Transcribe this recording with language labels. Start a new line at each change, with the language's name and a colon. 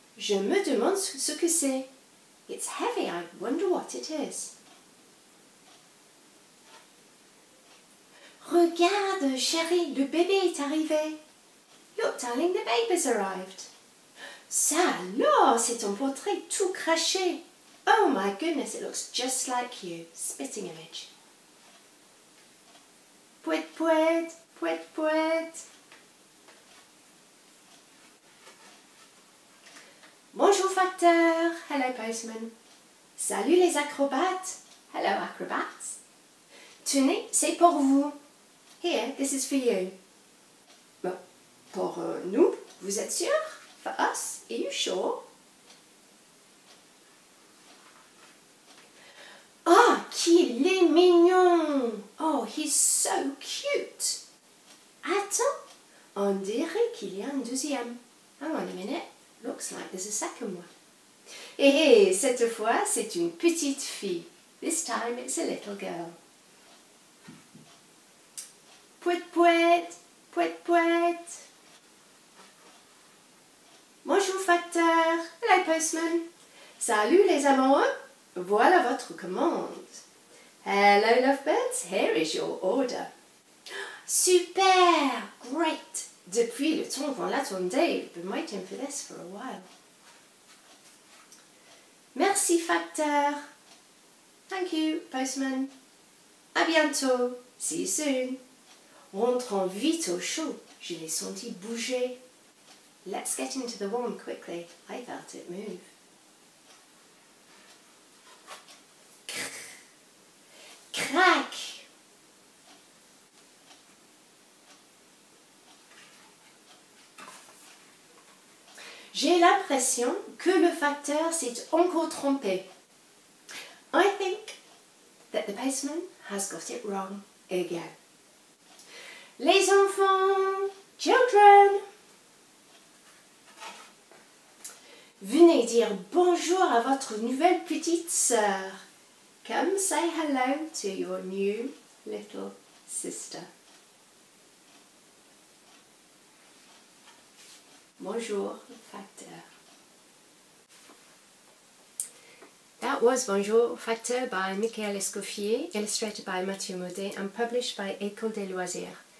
French: Je me demande ce que c'est.
English: It's heavy. I wonder what it is.
French: Regarde chérie, le bébé est arrivé.
English: Look darling, the baby's arrived.
French: Ça alors, c'est ton portrait tout craché.
English: Oh my goodness, it looks just like you. Spitting image. Pouet pouet, pouet pouet.
French: Bonjour facteur.
English: Hello postman.
French: Salut les acrobates.
English: Hello acrobats.
French: Tenez, c'est pour vous.
English: Here, this is for you.
French: Bah, pour nous, vous êtes sûr?
English: For us, are you sure?
French: Qu'il est mignon!
English: Oh, he's so cute!
French: Attends, on dirait qu'il y a un deuxième.
English: Hang on a minute, looks like there's a second one.
French: Et cette fois, c'est une petite fille.
English: This time, it's a little girl. Pouet pouet, pouet pouet.
French: Bonjour facteur.
English: Hello postman.
French: Salut les amoureux. Voilà votre commande.
English: Hello, lovebirds. Here is your order.
French: Super!
English: Great!
French: Depuis le temps qu'on l'attendait,
English: we've been waiting for this for a while.
French: Merci, facteur.
English: Thank you, postman.
French: À bientôt.
English: See you soon.
French: Rentrons vite au chaud. Je l'ai senti bouger.
English: Let's get into the warm quickly. I felt it move. Crac!
French: J'ai l'impression que le facteur s'est encore trompé.
English: I think that the postman has got it wrong again.
French: Les enfants!
English: Children!
French: Venez dire bonjour à votre nouvelle petite sœur.
English: Come say hello to your new little sister.
French: Bonjour, facteur.
English: That was Bonjour, facteur by Michael Escoffier, illustrated by Mathieu Maudet and published by École des Loisirs.